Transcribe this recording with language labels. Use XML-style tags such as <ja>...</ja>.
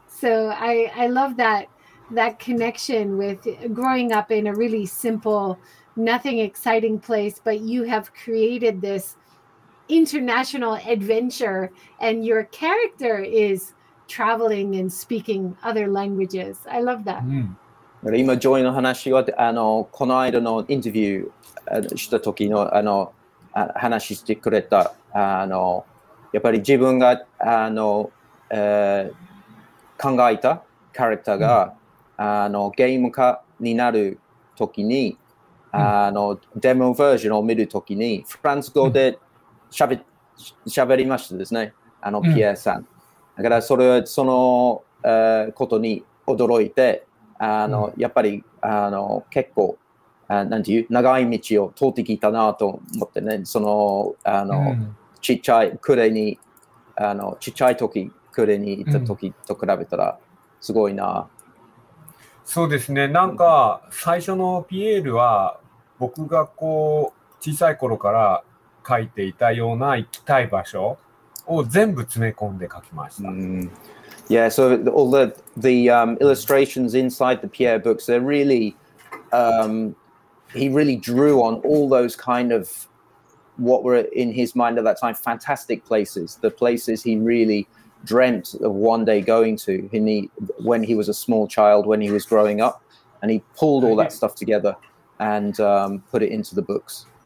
<en>So I love that connection with growing up in a really simple, nothing exciting place, but you have created this international adventure and your character is traveling and speaking other languages. I love that. Mm.</en> <ja>今、上位の話は、あの、この間のインタビューした時の、あの、話してくれた、あのやっぱり自分があの、考えたキャラクターが、あのゲーム化になるときに、あのデモバージョンを見るときにフランス語で喋りましたですね、あのピエさん、だからそれその、ことに驚いて、あのやっぱりあの結構なんていう長い道を通ってきたなと思ってね、そのあの、ちっちゃいクレに、あのちっちゃい時クレに行った時と比べたらすごいな、そうですね、なんか最初のピエールは僕がこう小さい頃から書いていたような行きたい場所を全部詰め込んで書きました、</ja> <en>Yeah, so all the illustrations inside the Pierre books, they're reallyHe really drew on all those kind of what were in his mind at that time, fantastic places, the places he really dreamt of one day going to when he was a small child, when he was growing up, and he pulled all that stuff together and put it into the books.</en>